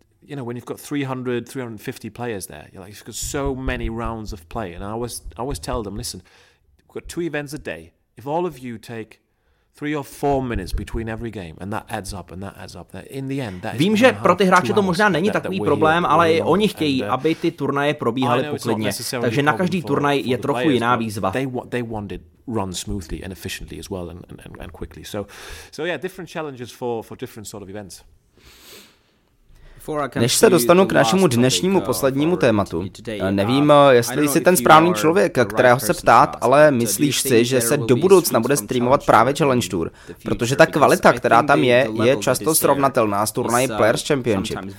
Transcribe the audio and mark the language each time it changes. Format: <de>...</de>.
<en>You know, when you've got 300-350 players there, you're like, you've got so many rounds of play, and I always tell them, listen, we've got 2 events a day. If all of you take 3 or 4 minutes between every game and that adds up and that adds up that in the end that</en> <cs>vím, že pro ty hráče to možná není takový problém, ale i oni chtějí, aby ty turnaje probíhaly poklidně, takže na každý turnaj je trochu jiná výzva.</cs> <en>They want it run smoothly and efficiently as well and quickly, so yeah, different challenges for different sort of events.</en> <cs>Než se dostanu k našemu dnešnímu poslednímu tématu, nevím, jestli jsi ten správný člověk, kterého se ptát, ale myslíš si, že se do budoucna bude streamovat právě Challenge Tour? Protože ta kvalita, která tam je, je často srovnatelná s turnaji Players Championship.</cs>